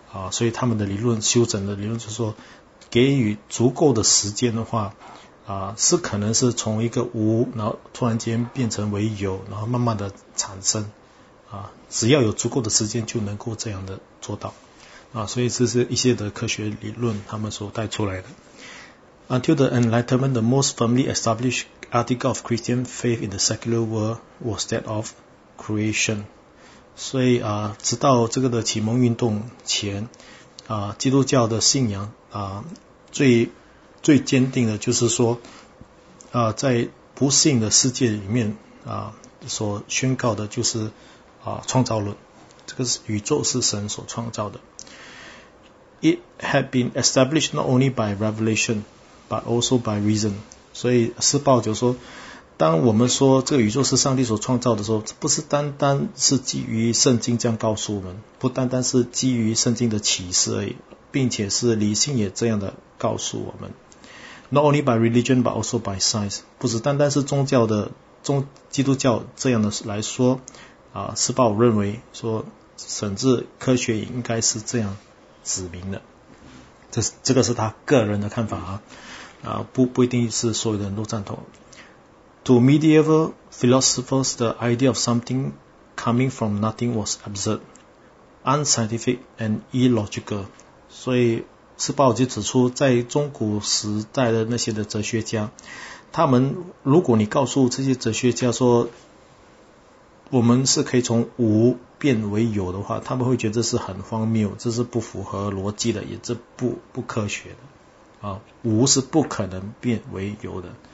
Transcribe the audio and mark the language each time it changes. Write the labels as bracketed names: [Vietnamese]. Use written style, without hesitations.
[Chinese] 所以他们的理论，修整的理论就是说，给予足够的时间的话是可能是从一个无，然后突然间变成为有，然后慢慢的产生只要有足够的时间就能够这样的做到所以这是一些的科学理论他们所带出来的。 [English] Until the Enlightenment, the most firmly established article of Christian faith in the secular world was that of creation. [Chinese] 所以直到这个的启蒙运动前基督教的信仰最坚定的就是说在不信的世界里面所宣告的就是创造论，这个宇宙是神所创造的。 [English] It had been established not only by revelation but also by reason. [Chinese] 所以施暴就说，当我们说这个宇宙是上帝所创造的时候，不是单单是基于圣经这样告诉我们，不单单是基于圣经的启示而已，并且是理性也这样的告诉我们。 [English] Not only by religion but also by science. [Chinese] 不只单单是宗教的基督教这样的来说施暴认为说甚至科学应该是这样指明的。这个是他个人的看法不一定是所有的人都赞同。 [English] To medieval philosophers, the idea of something coming from nothing was absurd, unscientific and illogical. [Chinese] 所以施暴就指出，在中古时代的那些的哲学家，他们如果你告诉这些哲学家说我们是可以从无变为有的话，他们会觉得这是很荒谬，这是不符合逻辑的，也是不科学的无是不可能变为有的。